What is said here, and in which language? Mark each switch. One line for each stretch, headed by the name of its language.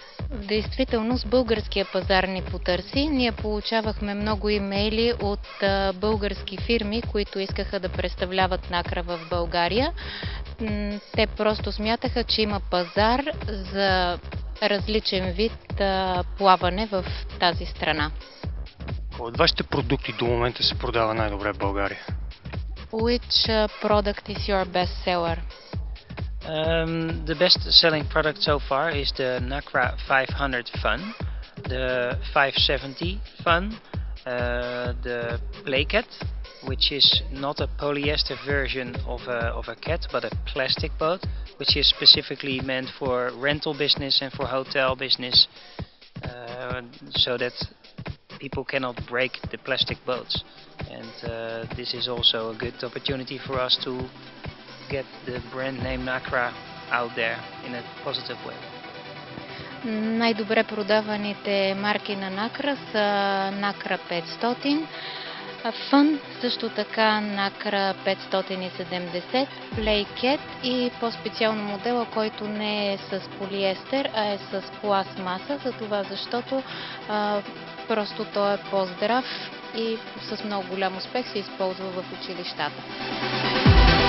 Bulgarian: В действителност българския пазар ни потърси. Ние получавахме много имейли от български фирми, които искаха да представляват Nacra в България. Те просто смятаха, че има пазар за различен вид плаване в тази страна. Кой от вашите продукти до момента се продава най-добре в България?
English: Which product is your best seller? The best selling product so far is the Nacra 500 Fun, the 570 Fun, the Playcat, which is not a polyester version of a cat, but a plastic boat, which is specifically meant for rental business and for hotel business, so that people cannot break the plastic boats. And this is also a good opportunity for us to get the brand name Nacra out there in a positive way.
Bulgarian: Най-добре продаваните марки на Nacra са Nacra 500, Fun, също така Nacra 570, Playcat и по-специално модела, който не е с полиестер, а е с пластмаса, за това защото просто той е по-здрав и с много голям успех се използва в училищата.